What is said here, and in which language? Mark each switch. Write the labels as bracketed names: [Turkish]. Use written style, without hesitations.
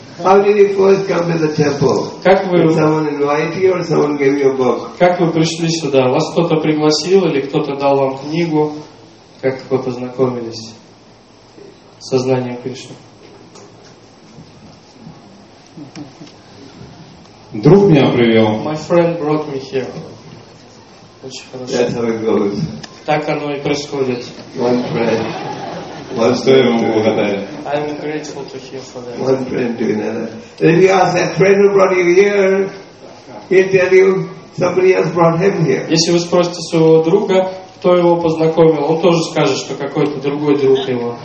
[English] How did you first come to the temple? [Russian] Как вы? [English] Did someone invite you or someone gave you a book? [Russian] Как вы пришли сюда? Вас кто-то пригласил или кто-то дал вам книгу? Как вы познакомились с сознанием Кришны? Друг меня привел. [English] My friend brought me here. [Russian] Очень хорошо. [English] That's how it goes. [Russian] Так оно и происходит. [English] One friend. I'm grateful to hear for that. One friend to another. If you ask that friend who brought you here, he'll tell you somebody else brought him here. [Russian] Если вы спросите своего друга, кто его познакомил, он тоже скажет, что какой-то другой друг его.